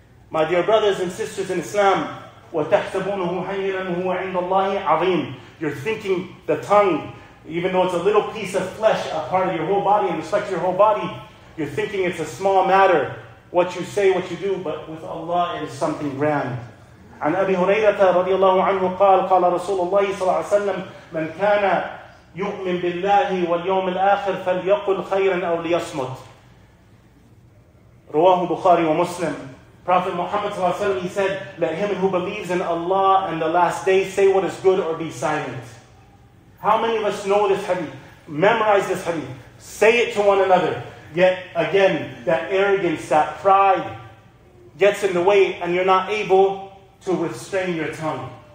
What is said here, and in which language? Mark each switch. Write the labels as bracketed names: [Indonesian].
[English] My dear brothers and sisters in Islam, [Arabic] وَتَحْسَبُونَهُ هَيِّنًا هُوَ عِنْدَ اللَّهِ عَظِيمٌ. [English] You're thinking the tongue, even though it's a little piece of flesh, a part of your whole body, and respect your whole body, you're thinking it's a small matter, what you say, what you do, but with Allah it is something grand. [Arabic] عن أبي هريرة رضي الله عنه قال قال رسول الله صلى الله عليه وسلم من كان يؤمن بالله واليوم الآخر فليقل خيرا أو ليصمت. رواه بخاري ومسلم. [English] Prophet Muhammad صلى الله عليه وسلم, he said, let him who believes in Allah and the last day say what is good or be silent. How many of us know this hadith? Memorize this hadith. Say it to one another. Yet again, that arrogance, that pride gets in the way and you're not able to restrain your tongue.